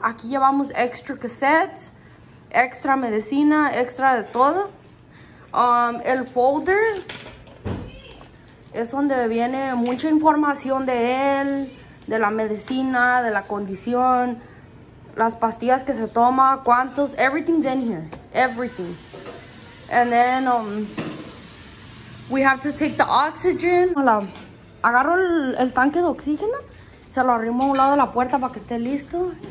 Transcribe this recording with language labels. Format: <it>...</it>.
<es>Aquí llevamos extra cassettes, extra medicina, extra de todo. El folder es donde viene mucha información de él, de la medicina, de la condición, las pastillas que se toma, cuántos,</es> <en>everything's in here, everything. And then we have to take the oxygen.</en> <es>Hola, agarro el tanque de oxígeno, se lo arrimo a un lado de la puerta para que esté listo.</es>